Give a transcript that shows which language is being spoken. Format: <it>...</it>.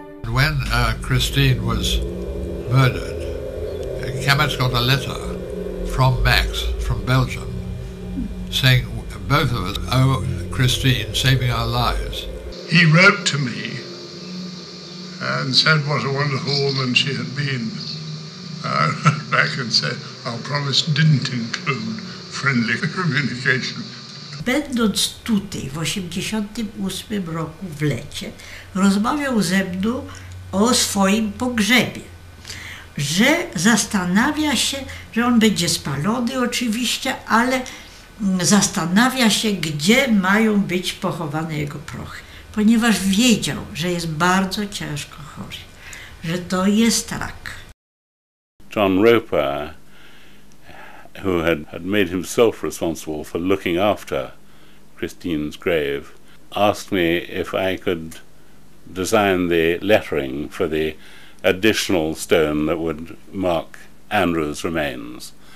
<en>When Christine was murdered, Kamat got a letter from Max, from Belgium, saying, "Both of us owe Christine saving our lives." He wrote to me and said what a wonderful woman she had been. Back and said, our promise didn't include friendly communication.</en> <pl>Będąc tutaj w 1988 roku w lecie, rozmawiał ze mną o swoim pogrzebie, że zastanawia się, że on będzie spalony oczywiście, ale zastanawia się, gdzie mają być pochowane jego prochy. Ponieważ wiedział, że jest bardzo ciężko chory, że to jest rak.</pl> <en>John Roper, who had made himself responsible for looking after Christine's grave, asked me if I could design the lettering for the additional stone that would mark Andrew's remains.</en>